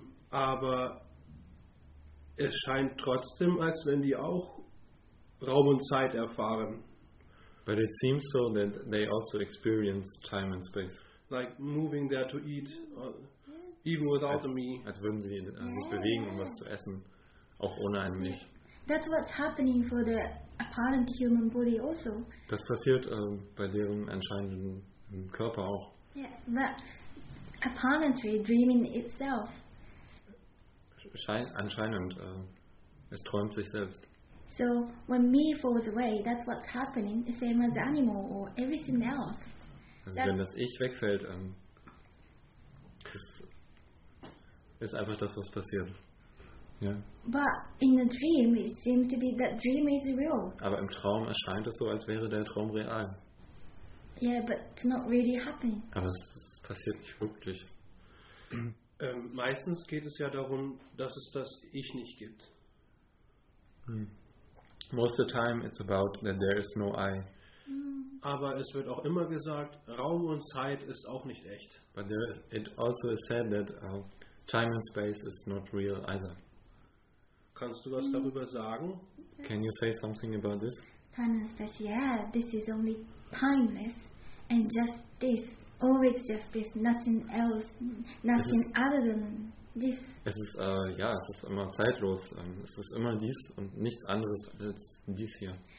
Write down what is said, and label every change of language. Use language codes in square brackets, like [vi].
[de] Aber es scheint trotzdem, als wenn die auch Raum und Zeit erfahren. [en] But it seems so that they also experience time and space. Like moving there to eat, even without me. [de] Als würden sie sich bewegen, um was zu essen, auch ohne ein Mich. [en] That's what's happening for the apparent human body also. [de] Das passiert bei deren anscheinenden Körper auch. [en] Yeah, but apparently dreaming itself. [de] Anscheinend, es träumt sich selbst. [en] So when me falls away, that's what's happening, the same as animal or everything else. [de] Also [en] that's [de] wenn das Ich wegfällt, das ist einfach das, was passiert. [en] Yeah. But in a dream, it seems to be that dream is real. [de] Aber im Traum erscheint es so, als wäre der Traum real. [en] Yeah, but it's not really happening. [de] Aber es passiert nicht wirklich. Meistens geht es ja darum, dass es das Ich nicht gibt. [en] Most of the time it's about that there is no I. [de] Aber es wird auch immer gesagt, Raum und Zeit ist auch nicht echt. [en] But there is, it also is said that time and space is not real either. [de] Kannst du was darüber sagen? [en] Can you say something about this? Time and space, yeah, this is only timeless and just this. Always just this, nothing else, nothing other than this. [de] Es ist, ja, es ist immer zeitlos. Es ist immer dies und nichts anderes als dies hier.